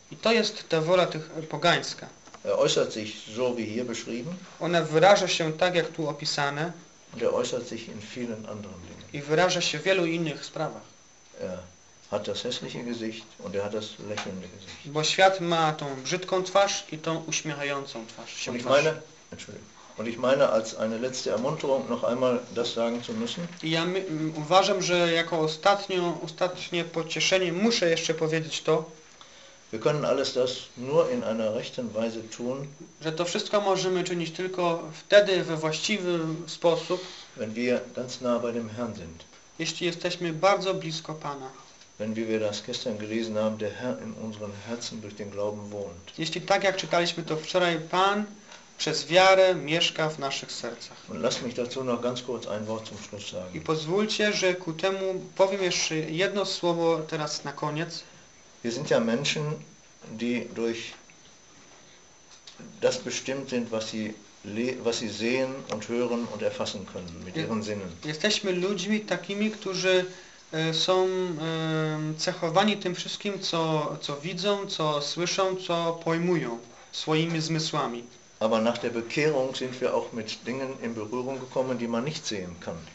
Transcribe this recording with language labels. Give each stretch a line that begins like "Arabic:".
Polish: I to jest ta wola tych pogańska.
German: Er äußert sich so wie hier beschrieben.
Polish: Ona wyraża się tak, jak tu opisane.
German: Und er äußert sich in vielen anderen Dingen.
Polish: I wyraża się w wielu innych sprawach.
German: Er hat das hässliche Gesicht und er hat das lächelnde Gesicht.
Polish: Bo świat ma tą brzydką twarz i tą uśmiechającą twarz.
German: Und ich meine, als eine letzte Ermunterung noch einmal das sagen zu müssen.
Polish: I ja uważam, że jako ostatnie pocieszenie muszę jeszcze powiedzieć to.
German: Wir können alles das nur in einer rechten Weise tun.
Polish: Że to wszystko możemy czynić tylko wtedy we właściwy sposób.
German: Wenn wir ganz nah bei dem Herrn sind.
Polish: Jeśli jesteśmy bardzo blisko Pana.
German: Wenn wir das gestern gelesen haben, der Herr in unseren Herzen durch den Glauben wohnt.
Polish: Jeśli tak jak czytaliśmy to wczoraj, Pan przez wiarę mieszka w naszych sercach.
German: Und lass mich dazu noch ganz kurz ein Wort zum Schluss sagen.
Polish: I pozwólcie, że ku temu powiem jeszcze jedno słowo teraz na koniec.
German: Wir sind ja Menschen, die durch das bestimmt sind, was sie sehen und hören und erfassen können mit ihren Sinnen.
Polish: Jesteśmy ludźmi takimi, którzy są cechowani tym wszystkim, co widzą, co słyszą, co pojmują swoimi zmysłami.
German: Aber nach der Bekehrung sind wir auch mit Dingen in Berührung gekommen, die man nicht sehen kann.